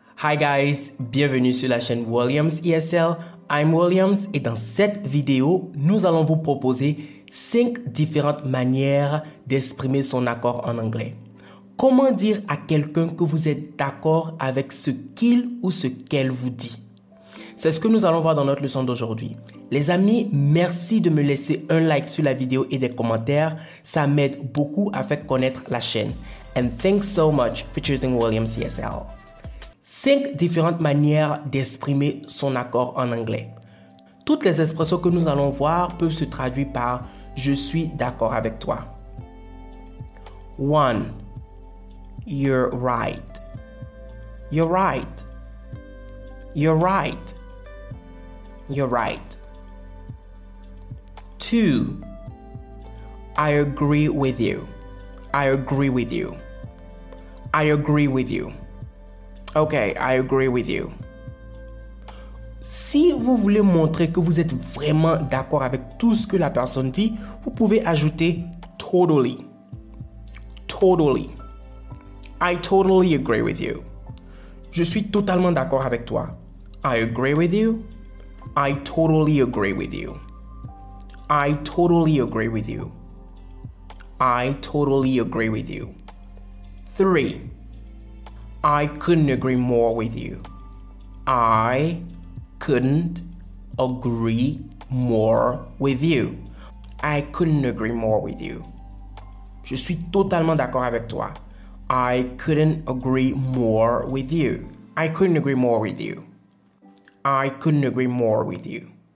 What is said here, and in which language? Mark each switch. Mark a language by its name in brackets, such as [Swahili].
[English] Hi guys, [French] bienvenue sur la chaîne Williams ESL. I'm Williams et dans cette vidéo, nous allons vous proposer 5 différentes manières d'exprimer son accord en anglais. Comment dire à quelqu'un que vous êtes d'accord avec ce qu'il ou ce qu'elle vous dit? C'est ce que nous allons voir dans notre leçon d'aujourd'hui. Les amis, merci de me laisser un like sur la vidéo et des commentaires. Ça m'aide beaucoup à faire connaître la chaîne. [English] And thanks so much for choosing Williams ESL. [French] 5 différentes manières d'exprimer son accord en anglais. Toutes les expressions que nous allons voir peuvent se traduire par « je suis d'accord avec toi ». [English] 1. You're right. You're right. You're right. You're right. 2. I agree with you. I agree with you. I agree with you. Okay, I agree with you. [French] Si vous voulez montrer que vous êtes vraiment d'accord avec tout ce que la personne dit, vous pouvez ajouter totally. [English] Totally. I totally agree with you. [French] Je suis totalement d'accord avec toi. [English] I agree with you. I totally agree with you. I totally agree with you. I totally agree with you. 3. I couldn't agree more with you. I couldn't agree more with you. I couldn't agree more with you. [French] Je suis totalement d'accord avec toi. [English] I couldn't agree more with you. I couldn't agree more with you. I couldn't agree more with you.